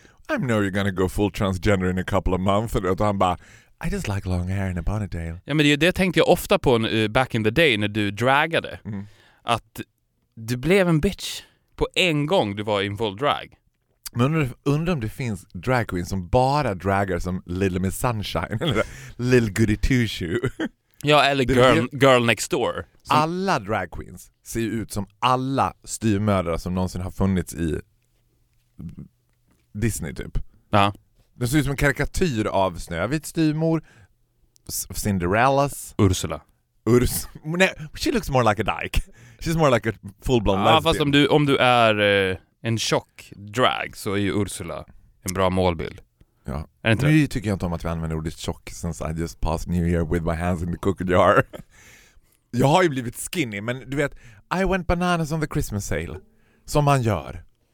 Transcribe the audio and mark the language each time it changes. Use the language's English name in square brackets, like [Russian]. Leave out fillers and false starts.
[English] I know you're gonna go full transgender in a couple of months. [Swedish] Och han bara, [English] I just like long hair and a ponytail. [Swedish] Ja, men det tänkte jag ofta på [English] back in the day [Swedish] när du dragade. Mm. Att du blev en bitch på en gång du var i full drag. Men undrar om det finns drag queens som bara dragar som Little Miss Sunshine eller Little Goody Two Shoe. Ja, eller Girl Next Door. Alla drag queens ser ut som alla styrmödrar som någonsin har funnits i Disney typ. Ja. Det ser ut som en karikatyr av Snövit styrmor, Cinderellas. Ursula. [English] Nej, she looks more like a dyke. She's more like a full-blown lesbian. [Swedish] Ja, fast om du är... en tjock drag så är ju Ursula en bra målbild. Ja. Är inte nu det? Tycker jag inte om att vi använder ordet tjock [English] since I just passed New Year with my hands in the cookie jar. [Swedish] Jag har ju blivit skinny, men du vet, [English] I went bananas on the Christmas sale. [Swedish] Som man gör.